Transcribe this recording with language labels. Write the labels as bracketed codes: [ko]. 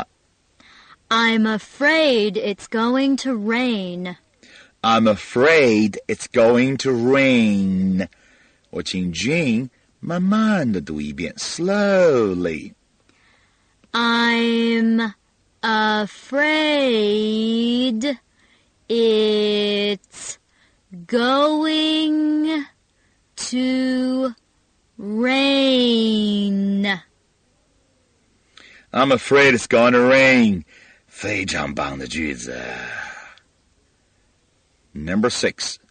[en] I'm afraid it's going to rain. I'm afraid it's going to rain. [zh] 我请Jean慢慢地读一遍, [en] slowly. I'm afraid it's going to rain. I'm afraid it's going to rain. [zh] 非常棒的句子。 [en] Number 6.